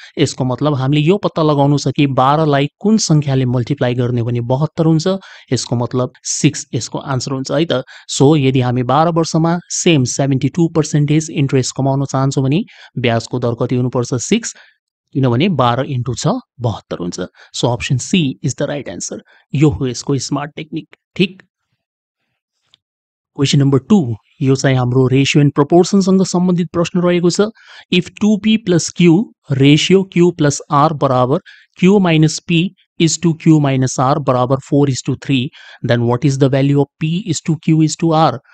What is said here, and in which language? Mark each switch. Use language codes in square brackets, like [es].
[ne] यसको मतलब हामीले यो पत्ता लगाउनु छ कि 12 कुन सङ्ख्याले मल्टिप्लाई गर्ने भने 72 हुन्छ। यसको मतलब 6 यसको आन्सर हुन्छ है त। सो यदि हामी 12 वर्षमा सेम 72% इन्ट्रेस्ट कमाउन चाहन्छौँ भने ब्याजको दर कति हुनुपर्छ? 6, किनभने 12 × 6 = 72 हुन्छ। [en] So option C is the right answer. [ne] यो हो यसको स्मार्ट टेक्निक। ठिक। क्वेसन नम्बर 2, यो चाहिँ हाम्रो रेसियो एन्ड प्रपोर्सनसँग सम्बन्धित प्रश्न रहेको छ। [en] If 2p plus Q ratio Q plus R बराबर Q minus P is to Q minus R बराबर 4:3, then what is the value of P is to Q is to R?